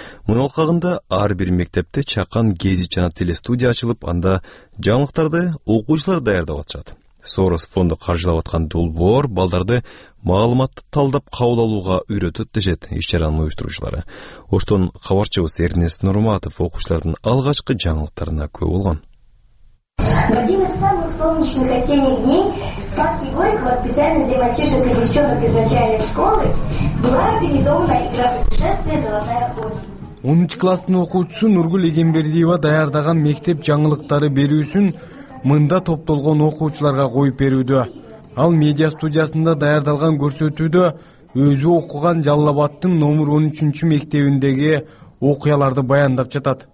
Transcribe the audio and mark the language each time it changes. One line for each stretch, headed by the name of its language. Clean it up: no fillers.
Kyrgyz: Мунун алкагында ар бир мектепте чакан гезит жана телестудия ачылып, анда жаңылыктарды окуучулар даярдап атышат. Сорос фонду каржылап аткан долбоор балдарды маалыматты талдап кабыл алууга үйрөтөт дешет иш чараны уюштуруучулары. Оштон кабарчыбыз Эрнес Нурматов окуучулардын алгачкы жаңылыктарына күбө болгон.
Russian: Один из самых солнечных осенних дней в парке Горького специально для мальчишек и девчонок из начальной школы была организована игра путешествия «Золотая осень».
Kyrgyz: 13 класстын окуучусу Нургүл Эгембердиева даярдаган мектеп жаңылыктары берүүсүн мында топтолгон окуучуларга коюп берүүдө. Ал медиа студиясында даярдалган көрсөтүүдө өзү окуган Жалал Абадтын номер 13 мектебиндеги окуяларды баяндап жатат.